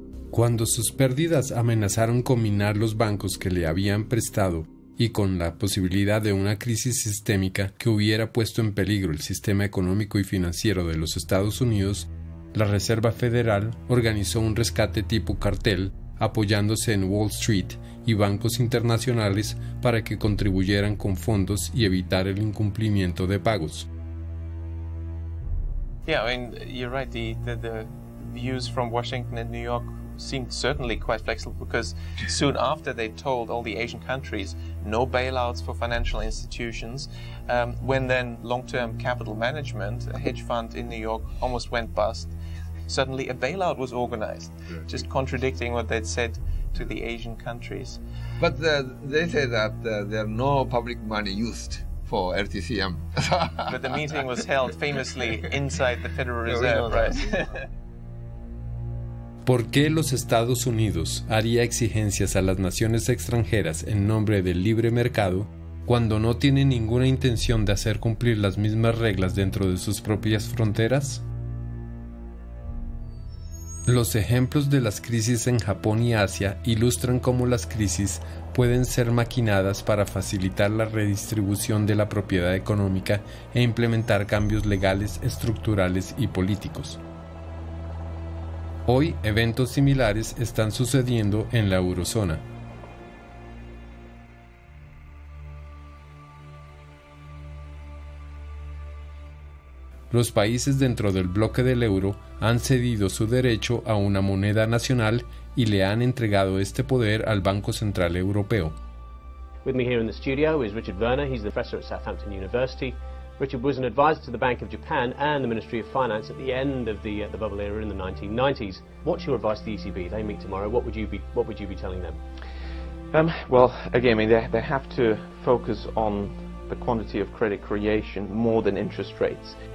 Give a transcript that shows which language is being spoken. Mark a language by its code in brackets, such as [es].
[es] Cuando sus pérdidas amenazaron con minar los bancos que le habían prestado y con la posibilidad de una crisis sistémica que hubiera puesto en peligro el sistema económico y financiero de los Estados Unidos, la Reserva Federal organizó un rescate tipo cartel apoyándose en Wall Street y bancos internacionales para que contribuyeran con fondos y evitar el incumplimiento de pagos. [en] Yeah, I mean, you're right. The views from Washington and New York seemed certainly quite flexible, because soon after they told all the Asian countries no bailouts for financial institutions, when then long-term capital management, a hedge fund in New York, almost went bust, suddenly a bailout was organized, just contradicting what they'd said to the Asian countries. But they say that there are no public money used for LTCM. But the meeting was held famously inside the Federal Reserve, right? [es] ¿Por qué los Estados Unidos haría exigencias a las naciones extranjeras en nombre del libre mercado cuando no tiene ninguna intención de hacer cumplir las mismas reglas dentro de sus propias fronteras? Los ejemplos de las crisis en Japón y Asia ilustran cómo las crisis pueden ser maquinadas para facilitar la redistribución de la propiedad económica e implementar cambios legales, estructurales y políticos. Hoy, eventos similares están sucediendo en la eurozona. Los países dentro del bloque del euro han cedido su derecho a una moneda nacional y le han entregado este poder al Banco Central Europeo. [en] With me here in the studio is Richard Werner. He's the professor at Southampton University. Richard was an advisor to the Bank of Japan and the Ministry of Finance at the end of the bubble era in the 1990s. What's your advice to the ECB? They meet tomorrow. What would you be telling them? They have to focus on the quantity of credit creation more than interest rates.